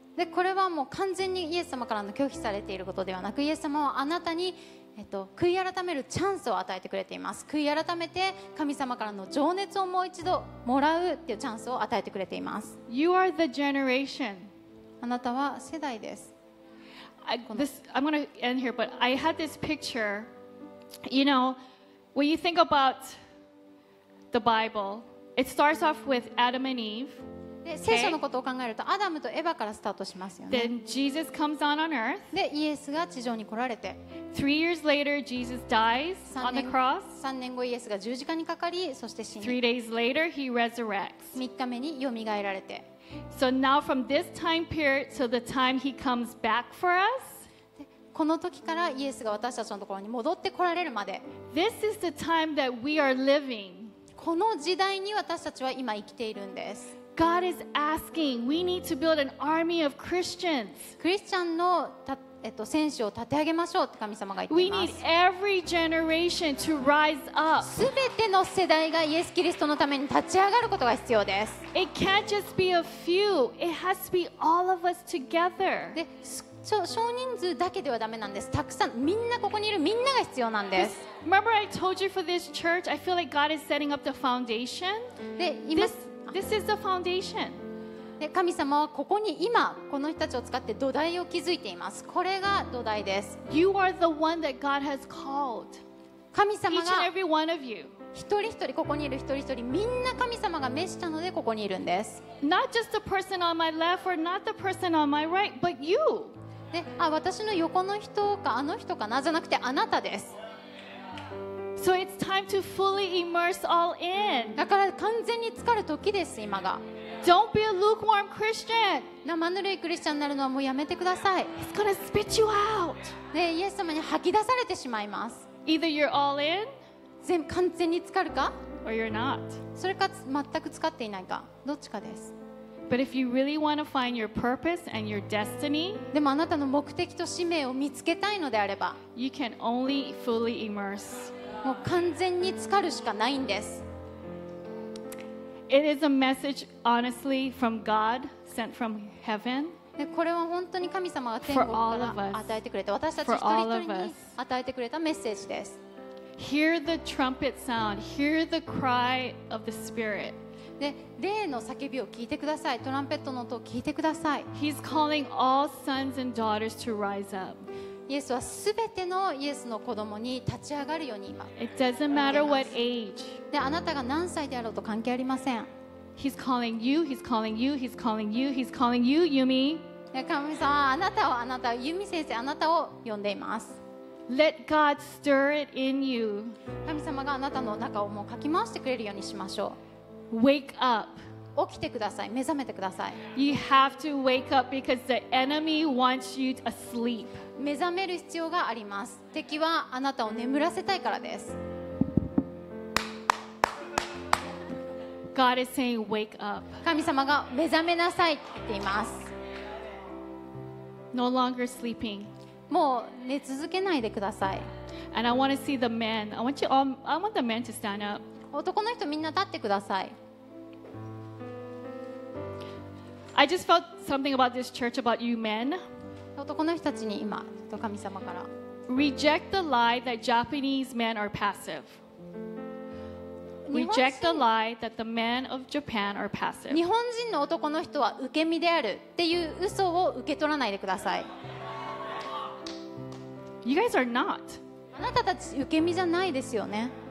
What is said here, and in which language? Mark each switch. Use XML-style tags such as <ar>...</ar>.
<ja>でこれはもう完全にイエス様からの拒否されていることではなく、イエス様はあなたに、悔い改めるチャンスを与えてくれています。悔い改めて神様からの情熱をもう一度もらうっていうチャンスを与えてくれています。</ja> <en>You are the generation.</en> <ja>あなたは世代です。</ja> <en>I'm going to end here, but I had this picture. You know, when you think about the Bible, it starts off with Adam and Eve.</en> <ja>で聖書のことを考えると、okay. アダムとエヴァからスタートしますよね。</ja> <en>Then Jesus comes down on earth.</en> <ja>でイエスが地上に来られて、</ja> <en>3 years later Jesus dies on the cross.</en> <ja>3年後イエスが十字架にかかり、そして死に、</ja> <en>3 days later he resurrects.</en> <ja>3日目によみがえられて、</ja> <en>So now from this time period to the time he comes back for us,</en> <ja>でこの時からイエスが私たちのところに戻って来られるまで、</ja> <en>This is the time that we are living.</en> <ja>この時代に私たちは今生きているんです。</ja> <en>God is asking. We need to build an army of Christians.</en> <ja>クリスチャンの戦士を立て上げましょうって神様が言っています</ja> <en>。 We need every generation to rise up.</en> <ja>すべての世代がイエス・キリストのために立ち上がることが必要です。</ja> <en>It can't just be a few. It has to be all of us together.</en> <ja>で、少人数だけではダメなんです。たくさん、みんなここにいるみんなが必要なんです。</ja> <en>Remember, I told you for this church, I feel like God is setting up the foundation.</en> <ja>で、今。</ja> <en>This is the foundation.</en> <ja>で神様はここに今この人たちを使って土台を築いています。これが土台です。</ja> <en>You are the one that God has called.</en> <ja>神様が</ja> <en>Each and every one of you.</en> <ja>一人一人ここにいる一人一人みんな神様が召したのでここにいるんです。</ja> <en>Not just the person on my left or not the person on my right, but you.</en> <ja>で、あ、私の横の人かあの人かなじゃなくてあなたです。</ja> <en>So it's time to fully immerse all in.</en> <ja>だから完全に浸かる時です今が。</ja> <en>Don't be a lukewarm Christian.</en> <ja>生ぬるいクリスチャンになるのはもうやめてください。</ja> <en>He's gonna spit you out.</en> <ja>で、イエス様に吐き出されてしまいます。</ja> <en>Either you're all in.</en> <ja>完全に浸かるか。</ja> <en>Or you're not.</en> <ja>それか全く浸かっていないか。どっちかです。</ja> <en>But if you really want to find your purpose and your destiny,</en> <ja>でもあなたの目的と使命を見つけたいのであれば、</ja> <en>you can only fully immerse.</en> <ja>もう完全に浸かるしかないんです。</ja> <en>It is a message, honestly, from God, sent from heaven.</en> <ja>これは本当に神様が天国から与えてくれた、私たち一人一人に与えてくれたメッセージです。</ja> <en>Hear the trumpet sound. Hear the cry of the Spirit.</en> <ja>で、霊の叫びを聞いてください。トランペットの音を聞いてください。</ja> <en>He's calling all sons and daughters to rise up.</en> <ja>イエスはすべてのイエスの子供に立ち上がるように今。</ja> <en>It doesn't matter what age.</en> <ja>で、あなたが何歳であろうと関係ありません。</ja> <en>He's calling you. He's calling you. He's calling you. He's calling you, Yumi.</en> <ja>神様、あなたをあなた、ユミ先生あなたを呼んでいます。</ja> <en>Let God stir it in you.</en> <ja>神様があなたの中をもうかき回してくれるようにしましょう。</ja> <en>Wake up.</en> <ja>起きてください。目覚めてください。</ja> <en>You have to wake up because the enemy wants you asleep.</en> <ja>目覚める必要があります。敵はあなたを眠らせたいからです。</ja> <en>God is saying, wake up.</en> <ja>神様が目覚めなさいって言っています。</ja> <en>No longer sleeping.</en> <ja>もう寝続けないでください。</ja> <en>And I want to see the men. I want the men to stand up.</en> <ja>男の人みんな立ってください。</ja> <en>I just felt something about this church about you men.</en> <ja>男の人たちに今、神様から。</ja> <en>Reject the lie that Japanese men are passive. Reject the lie that the men of Japan are passive.</en> <ja>日本人の男の人は受け身であるっていう嘘を受け取らないでください。</ja> <en>You guys are not.</en> <ja>あなたたち受け身じゃないですよね。</ja>